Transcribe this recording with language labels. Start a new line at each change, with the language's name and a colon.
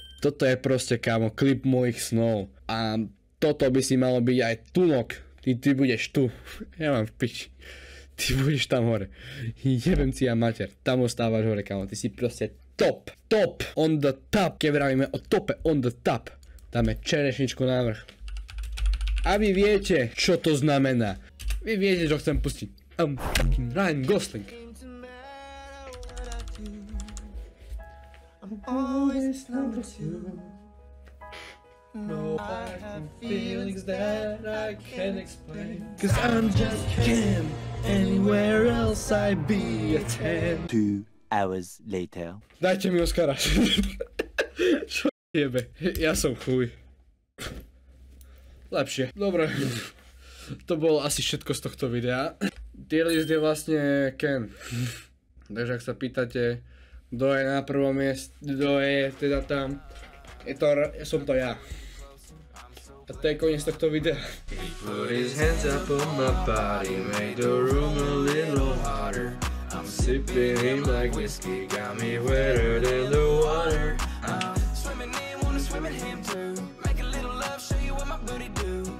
Slovak: Toto je proste, kámo, klip mojich snov. A toto by si malo byť aj tunok. Ty budeš tu. Ja mám v piči. Ty budeš tam hore. Jebem si ja mater. Tam ostávaš hore, kámo, ty si proste...
English: Top, top, on the top,
Slovak: keď vravíme o tope,
English: on the top,
Slovak: dáme čerešničku navrch. A vy viete, čo to znamená. Vy viete, čo chcem pustiť.
English: I'm fucking Ryan Gosling. Cause I'm just him, anywhere else I'd be a 10. hours later.
Slovak: Dajte mi Oscara. Čo jebe, ja som chuj. Lepšie, dobre. To bolo asi všetko z tohto videa. Dearlist je vlastne Ken. Takže ak sa pýtate, kto je na prvom mieste, kto je teda tam, je to, som to ja. A to je koniec tohto videa.
English: He put his hands up on my body, made the room a little hotter. I'm sipping him like whiskey, got me wetter than the water. I'm swimming in, wanna swim in him too. Make a little love, show you what my booty do.